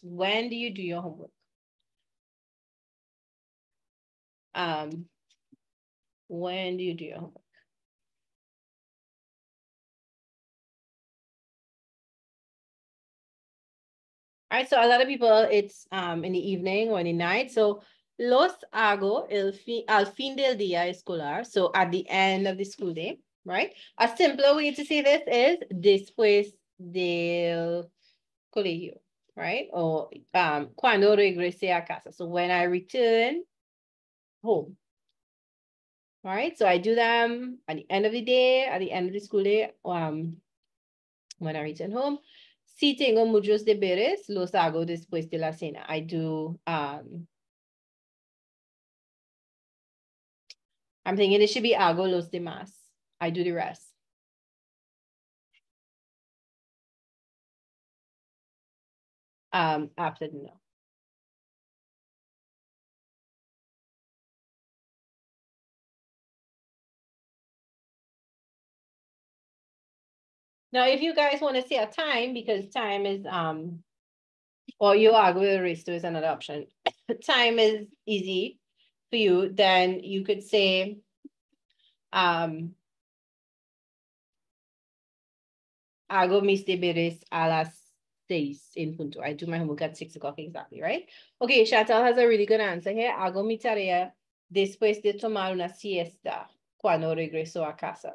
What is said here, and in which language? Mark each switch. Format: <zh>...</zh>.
<en>When do you do your homework? When do you do your homework? All right, so a lot of people, it's in the evening or in the night.</en> <es>So, los hago al fin del día escolar.</es> <en>So, at the end of the school day, right? A simpler way to say this is</en> <es>después del colegio,</es> <en>right? Or</en> <es>cuando regrese a casa.</es> <en>So, when I return home. All right, so I do them at the end of the day, at the end of the school day, when I return home.</en> <es>Si tengo muchos deberes, los hago después de la cena.</es> <en>I do, I'm thinking it should be</en> <es>hago los demás.</es> <en>I do the rest. After dinner. Now, if you guys want to see a time, because time is, or you argue with the rest is another option. Time is easy for you, then you could say,</en> <es>hago mis deberes a las 6 en punto.</es> <en>I do my homework at 6 o'clock exactly, right? Okay, Chantal has a really good answer here.</en> <es>Hago mi tarea después de tomar una siesta cuando regreso a casa.</es>